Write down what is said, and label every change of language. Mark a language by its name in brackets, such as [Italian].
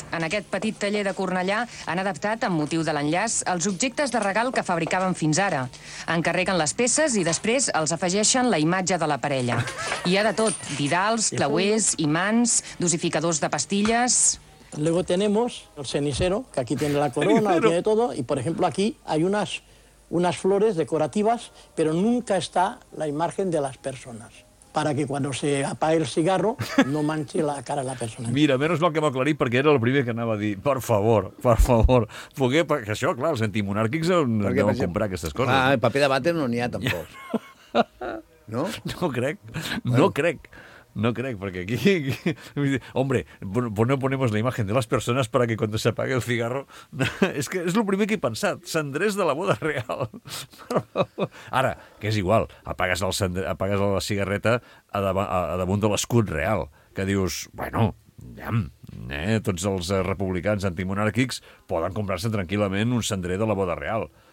[Catalan] En aquest petit taller de Cornellà han adaptat, amb motiu de l'enllaç, els objectes de regal que fabricaven fins ara. Encarreguen les peces i després els afegeixen la imatge de la parella. Hi ha de tot, didals, clauers, imants, dosificadors de pastilles... [Spanish] Luego tenemos el cenicero, que aquí tiene la corona, aquí tiene todo, y por ejemplo aquí hay unas flores decorativas, pero nunca está la imagen de las personas, para que cuando se apague el cigarro no manche la cara de la persona. [Catalan] Mira, menos mal que m'ho aclarí, perquè era el primer que anava a dir, per favor, foguer, perquè això, clar, els antimonàrquics anem a comprar aquestes coses. Ah, el paper de vàter no n'hi ha, tampoc. No? No crec, no crec. No crec, perquè aquí... [Spanish] Hombre, no ponemos la imagen de las personas para que cuando se apague el cigarro... [Catalan] És que és el primer que he pensat. Cendrers de la boda real. Ara, que és igual, apagues la cigarreta a damunt de l'escut real, que dius, bueno, tots els republicans antimonàrquics poden comprar-se tranquil·lament un cendrer de la boda real.